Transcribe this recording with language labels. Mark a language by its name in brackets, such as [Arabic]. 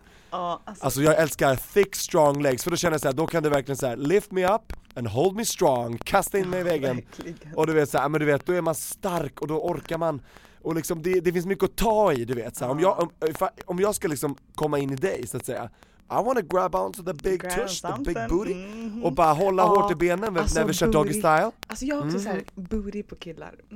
[Swedish] Alltså, jag älskar [English] thick, strong legs. [Swedish] För då känner jag så här, då kan du verkligen så här, [English] lift me up and hold me strong. [Swedish] Kasta in mig i väggen. Verkligen. Och du vet så här, men du vet, då är man stark och då orkar man. Och liksom, det finns mycket att ta i, du vet. Så här, om jag ska liksom komma in i dig, så att säga. [English] I want to grab onto the big tush, the big booty. Mm. [Swedish] Och bara hålla hårt i benen när vi kör doggy style. Alltså jag har också så här booty på killar.